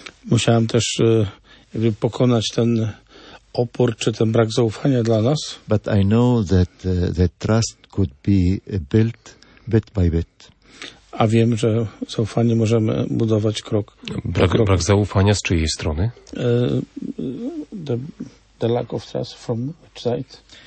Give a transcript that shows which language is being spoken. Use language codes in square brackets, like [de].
[pl] Musiałem też jakby pokonać ten opór czy ten brak zaufania dla nas. [en] But I know that the trust could be built bit by bit. [pl] A wiem, że zaufanie możemy budować krok po kroku. Brak zaufania z czyjej strony? [en] The lack of trust from which side?